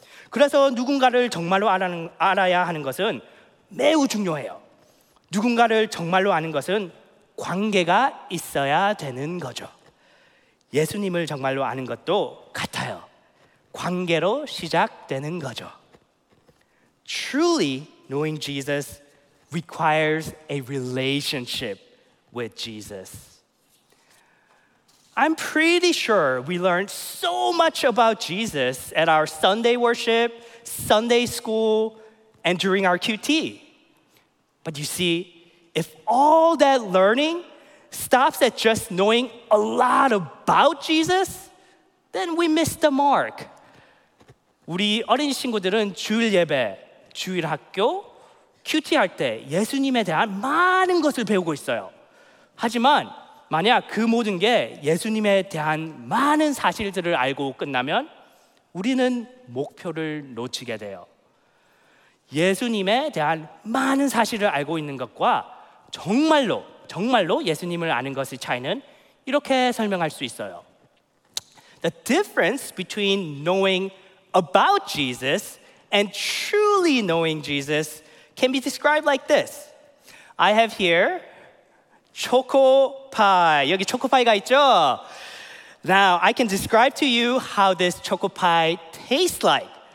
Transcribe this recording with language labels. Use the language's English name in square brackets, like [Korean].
[Korean] 그래서 누군가를 정말로 알아야 하는 것은 매우 중요해요. 누군가를 정말로 아는 것은 관계가 있어야 되는 거죠. 예수님을 정말로 아는 것도 같아요. 관계로 시작되는 거죠. [English] Truly knowing Jesus requires a relationship with Jesus. I'm pretty sure we learned so much about Jesus at our Sunday worship, Sunday school, and during our QT. But you see, if all that learning stops at just knowing a lot about Jesus, then we miss the mark. [Korean] 우리 어린이 친구들은 주일 예배, 주일 학교, 큐티 할 때 예수님에 대한 많은 것을 배우고 있어요. 하지만 만약 그 모든 게 예수님에 대한 많은 사실들을 알고 끝나면 우리는 목표를 놓치게 돼요. 예수님에 대한 많은 사실을 알고 있는 것과 정말로, 정말로 예수님을 아는 것의 차이는 이렇게 설명할 수 있어요. [English] The difference between knowing about Jesus and truly knowing Jesus can be described like this. I have here choco pie. [Korean] 여기 choco pie가 있죠? [English] Now, I can describe to you how this choco pie tastes like.